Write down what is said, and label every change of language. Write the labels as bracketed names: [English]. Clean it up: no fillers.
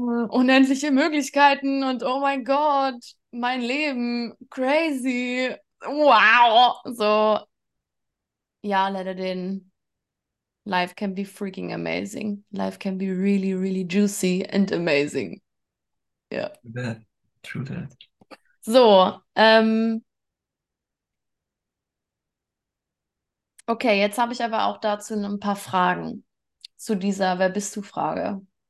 [German] Unendliche Möglichkeiten und oh mein Gott, mein Leben, crazy, wow, so, ja, [English] let it in. Life can be freaking amazing. Life can be really, really juicy and amazing. Ja. Yeah. That. True that. [German] So, okay, jetzt habe ich aber auch dazu ein paar Fragen zu dieser Wer bist du Frage.